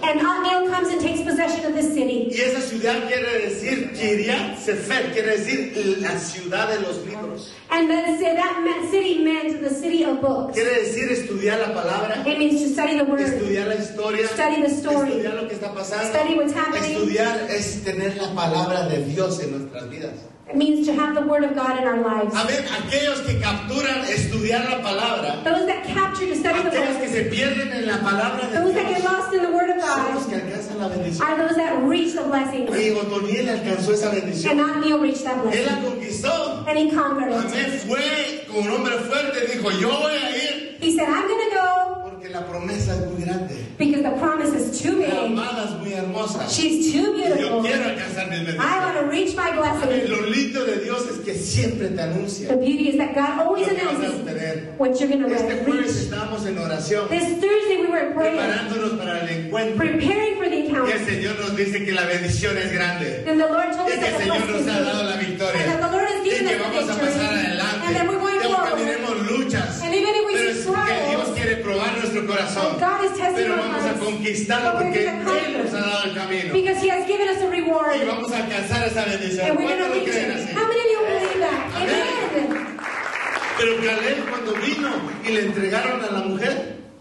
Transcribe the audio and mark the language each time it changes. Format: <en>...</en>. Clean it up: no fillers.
<en>And Otoniel comes and takes possession of this city.</en> <es>Y esa ciudad quiere decir Kiriat Sefer, quiere decir la ciudad de los libros.</es> <en>And that city meant the city of books.</en> <es>Quiere decir estudiar la palabra.</es> <en>It means to study the word.</en> <es>Estudiar la historia.</es> <en>Study the story.</en> <es>Estudiar lo que está pasando.</es> <en>Study what's happening.</en> <es>Estudiar es tener la palabra de Dios en nuestras vidas.</es> <en>It means to have the word of God in our lives.</en> <es>Amen. Aquellos que capturan estudiar la palabra.</es> <en>Those that capture to study the word.</en> <es>Aquellos que se pierden en la palabra de Dios.</es> <en>Those that get lost in the word of God.</en> <es>Son los que alcanzan la bendición.</es> <en>Are those that reach the blessing.</en> <es>Y Otoniel alcanzó esa bendición.</es> <en>And Otoniel reached that blessing.</en> <es>Él la conquistó.</es> <en>And he conquered it. Amen.</en> <es>Fue con un hombre fuerte. Dijo, yo voy a ir.</es> <en>He said, I'm going to go.</en> <es>Porque la promesa es muy grande.</es> <en>Because the promise is too big.</en> <es>La amada es muy hermosa.</es> <en>She's too beautiful.</en> <es>Y yo quiero alcanzar mi bendición.</es> <en>I want to reach my blessing. Amen.</en> <es>Lo lindo de Dios es que siempre te anuncia.</es> <en>The beauty is that God always announces what you're going to</en> <es>reach. Este jueves estábamos en oración.</es> <en>This Thursday we were praying.</en> <es>Preparándonos para el encuentro.</es> <en>Preparing for the encounter.</en> <es>Y el Señor nos dice que la bendición es grande.</es> <en>And the Lord told us that the blessing is great. And that the Lord has given us the victory.</en> <es>Y que vamos a pasar adelante.</es> <en>And that we're going forward.</en> <es>Y que tendremos luchas.</es> <en>And even if we struggle.</en> <es>Pero es que Dios quiere probar nuestro corazón.</es> <en>And God is testing our</en> <es>hearts. Pero vamos a conquistarlo porque Él nos ha dado el camino.</es> <en>Because He has given us a reward.</en> <es>Y vamos a alcanzar esa bendición.</es> <en>And we're going to reach it. How many of you believe that? Amen.</en> <es>Pero Caleb cuando vino y le entregaron a la mujer,</es>